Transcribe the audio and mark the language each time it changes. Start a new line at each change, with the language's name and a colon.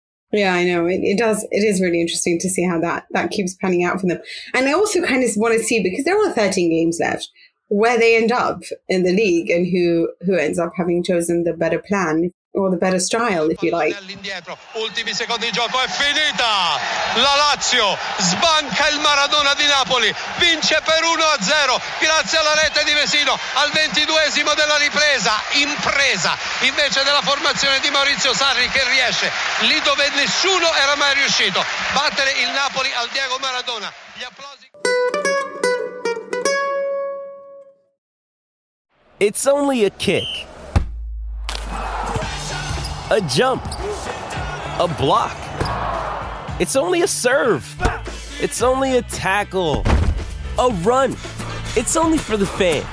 English: Yeah, I know. It does. It is really interesting to see how that keeps panning out for them. And I also kind of want to see, because there are 13 games left, where they end up in the league and who ends up having chosen the better plan or the better style, if you like.
Italian: All'indietro, ultimi secondi di gioco, è finita! La Lazio sbanca il Maradona di Napoli, vince per 1-0, grazie alla rete di Vecino, al 22esimo della ripresa, impresa invece della formazione di Maurizio Sarri, che riesce lì dove nessuno era mai riuscito, battere il Napoli al Diego Maradona. Gli applausi...
English: It's only a kick, a jump, a block, it's only a serve, it's only a tackle, a run, it's only for the fans.